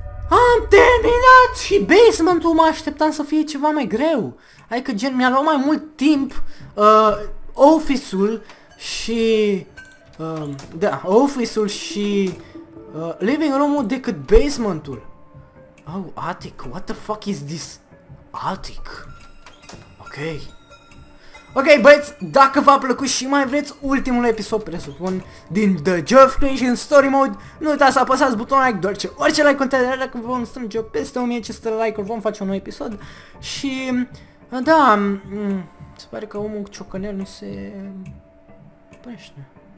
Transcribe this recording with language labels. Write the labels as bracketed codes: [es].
[ro] Am terminat și basement-ul, mă așteptam să fie ceva mai greu. Adică gen, mi-a luat mai mult timp office-ul și... da, office-ul și living room-ul decât basement-ul. [en] Oh, attic, what the fuck is this? Attic. Ok. [ro] Ok, băieți, dacă v-a plăcut și mai vreți ultimul episod, presupun, din The Joy of Creation Story Mode, nu uitați să apăsați butonul like, doar ce, orice like contează, dacă vom strânge peste 1500 like-uri, vom face un nou episod. Și, da, se pare că omul cu ciocanel nu se... Păiște.